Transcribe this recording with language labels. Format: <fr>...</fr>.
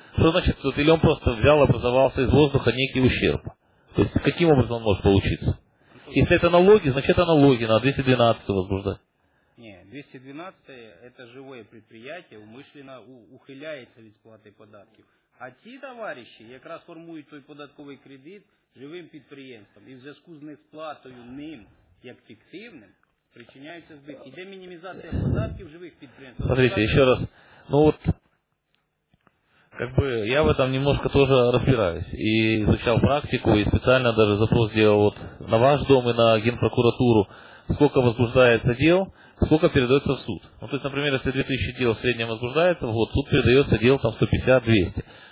<ru>Что значит, вот, или он просто взял, образовался из воздуха некий ущерб? То есть, каким образом он может получиться? Если это налоги, значит, это налоги на 212 возбуждать. 212-е это живое предприятие, умышленно ухиляется</ru> <uk>від сплати податків. А ті товариші якраз формують той податковий кредит живим підприємством і в зв'язку з несплатою ним як фіктивним причиняються збитки. Іде мінімізація податків живих підприємств.</uk> <ru>Смотрите,</ru> <uk>ще раз.</uk> <ru>Ну от как бы я в этом немножко тоже разбираюсь и изучал практику, и спеціально даже запрос делал вот на ваш дом и на Генпрокуратуру, сколько возбуждается дел. Сколько передается в суд? Ну, то есть, например, если 2000 дел в среднем возбуждается, вот, суд передается дел там 150-200.</ru>